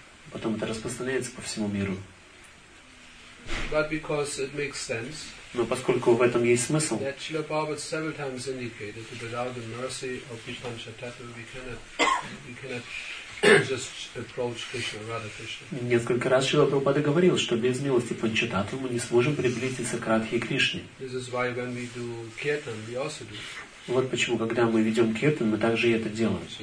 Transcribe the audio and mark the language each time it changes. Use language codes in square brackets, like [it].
[ru] Потом это распространяется по всему миру. [en] But because it makes sense. [ru] Но поскольку в этом есть смысл. [en] That Srila Prabhupada several times indicated that without the mercy of Panchatattva we cannot just approach Krishna, Radha Krishna. [ru] Несколько раз Шрила Прабхупада говорил, что без милости Панчататвы мы не сможем приблизиться к Радхе и Кришне. [en] This is why when we do kirtan, we also do. [ru] Вот почему, когда мы ведем киртан, мы также и это делаем.